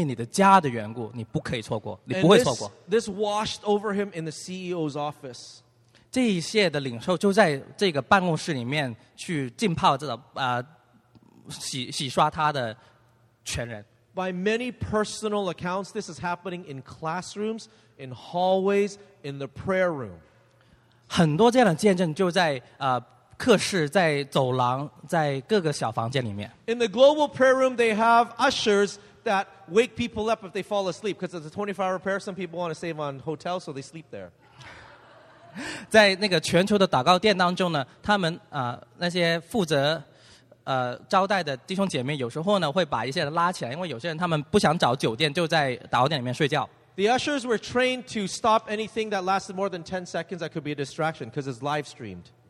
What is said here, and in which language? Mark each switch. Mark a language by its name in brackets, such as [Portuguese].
[Chinese] 这领袖就跟他说，你总不会错过，因为你的家的缘故，你不可以错过，你不会错过。 [English] This washed over him in the CEO's office. [Chinese] 这一切的领袖就在这个办公室里面去浸泡着。洗刷他的全人。 [English] By many personal accounts, this is happening in classrooms, in hallways, in the prayer room. [Chinese] 很多这样的见证就在课室，在走廊，在各个小房间里面。 [English] In the global prayer room, they have ushers that wake people up if they fall asleep, because it's a 24-hour prayer. Some people want to save on hotel, so they sleep there. [Chinese] 在那个全球的祷告殿当中呢，他们那些负责。招待的弟兄姐妹有时候呢会把一些人拉起来，因为有些人他们不想找酒店，就在祷告殿里面睡觉。 [English] The ushers were trained to stop anything that lasted more than 10 seconds that could be a distraction because it's live streamed.